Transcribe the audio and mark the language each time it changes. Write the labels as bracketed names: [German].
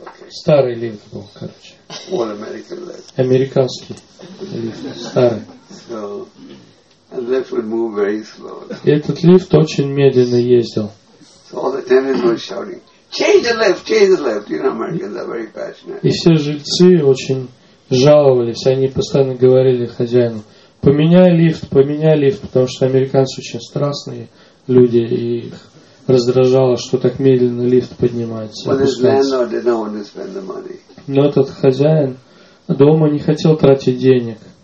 [Russian] Старый лифт был, короче. Американский лифт, старый. [English] And the lift would move very slow. [Russian] И этот лифт очень медленно ездил. [English] So all the tenants were shouting, change the lift, change the lift. You know, Americans are very passionate. [Russian] И все жильцы очень жаловались, они постоянно говорили хозяину, поменяй лифт, потому что американцы очень страстные люди, и их раздражало, что так медленно лифт поднимается. [English] But his landlord did not want to spend the money. [Russian] Но этот хозяин дома не хотел тратить денег.